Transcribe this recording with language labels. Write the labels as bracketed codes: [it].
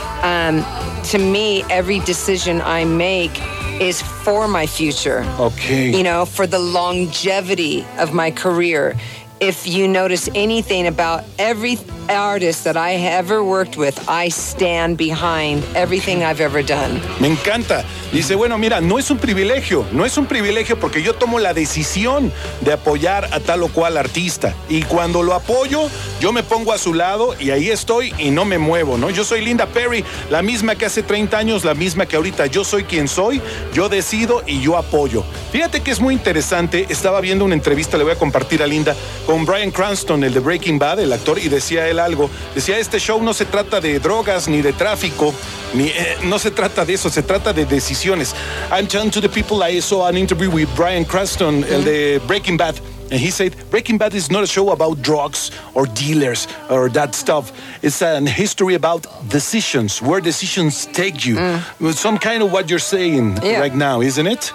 [en] To me, every decision I make is for my future. Okay. You know, for the longevity of my career. If you notice anything about every artist that I ever worked with, I stand behind everything I've ever done. [es] Me encanta. Dice, bueno, mira, no es un privilegio. No es un privilegio porque yo tomo la decisión de apoyar a tal o cual artista. Y cuando lo apoyo, yo me pongo a su lado y ahí estoy y no me muevo, ¿no? Yo soy Linda Perry, la misma que hace 30 años, la misma que ahorita. Yo soy quien soy, yo decido y yo apoyo. Fíjate que es muy interesante. Estaba viendo una entrevista, le voy a compartir a Linda, con Bryan Cranston, el de Breaking Bad, el actor, y decía él algo. Decía, este show no se trata de drogas ni de tráfico, no se trata de eso, se trata de decisiones. [en] I'm telling to the people, I saw an interview with Bryan Cranston, mm-hmm. [es] el de Breaking Bad, [en] and he said, Breaking Bad is not a show about drugs or dealers or that stuff. It's a history about decisions, where decisions take you. Mm. Some kind of what you're saying right now, isn't it?